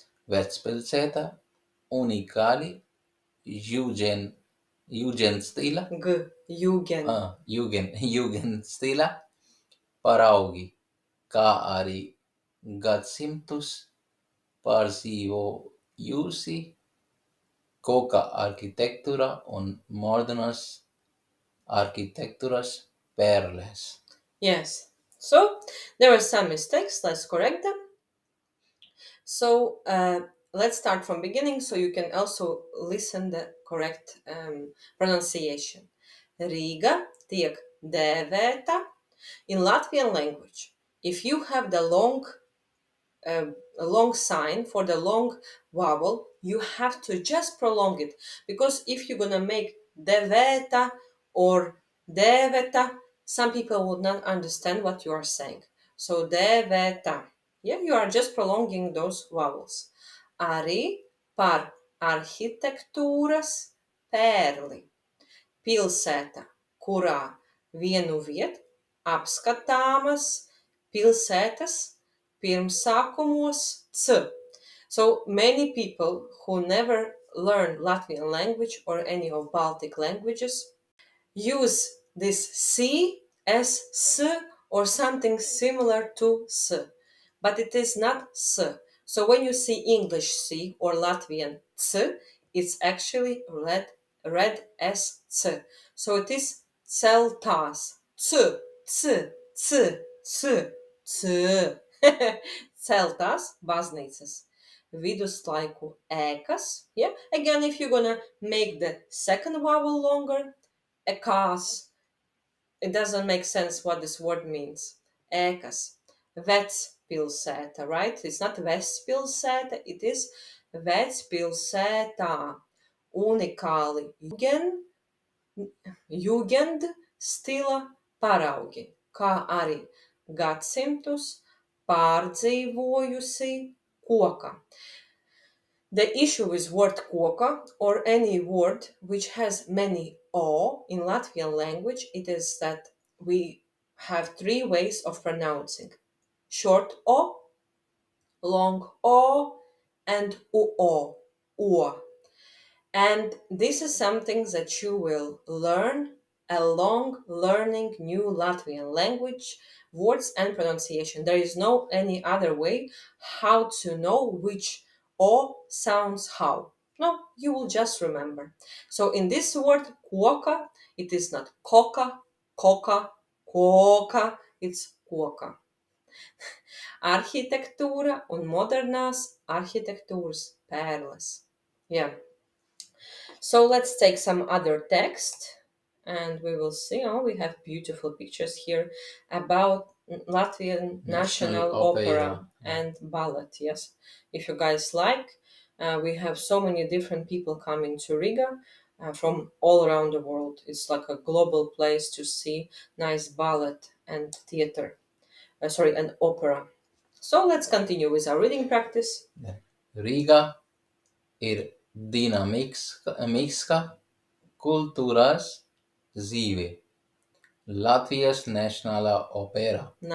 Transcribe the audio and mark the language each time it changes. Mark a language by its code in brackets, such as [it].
[lv] vecpilsēta, unikāli, jūgenstīla, paraugi, kā arī gadsimtus pārzīvojusi koka arhitektūra un modernas arhitektūras perles. [en] Yes. So, there are some mistakes. Let's correct them. So, let's start from beginning so you can also listen the correct pronunciation. [lv] Riga tiek dēvēta. [en] In Latvian language, if you have the long sign for the long vowel, you have to just prolong it. Because if you're going to make dēvēta or dēvēta, some people would not understand what you are saying. So, dēvēta. Yeah, you are just prolonging those vowels. [lv] Arī par arhitektūras pērli. pilsēta, kurā vienu vietu apskatāmas pilsētas pirmsākumos C. [en] So many people who never learn Latvian language or any of Baltic languages use this C as S or something similar to S, but it is not S. So when you see English C or Latvian C, it's actually read as C. So it is celtās. C, C, C, C, C. [lv] Celtās, baznīcas. Viduslaiku ēkas. Yeah? [en] Again, if you're gonna make the second vowel longer, ekas. It doesn't make sense what this word means. [lv] Ēkas. Vec pilsēta, right? [en] It's not Vec pilsēta, it is Vec pilsētā. [lv] Unikāli jugend stila paraugi, kā arī gadsimtus pārdzīvojusi koka. [en] The issue with word koka or any word which has many O in Latvian language, it is that we have three ways of pronouncing. Short O, long O, and UO, UO. And this is something that you will learn along learning new Latvian language words and pronunciation. There is no any other way how to know which O sounds how. No, you will just remember. So in this word, koka, it is not koka, koka, koka, it's koka. [lv] Arhitektūra un modernās arhitektūras pērles. [en] Yeah. So let's take some other text and we will see. Oh, we have beautiful pictures here about Latvian National Opera and Ballet. Yes, if you guys like, we have so many different people coming to Riga from all around the world. It's like a global place to see nice ballet and theater, and opera. So let's continue with our reading practice. [lv] Riga ir dinamiska kultūras dzīve. Latvijas Nacionālā opera.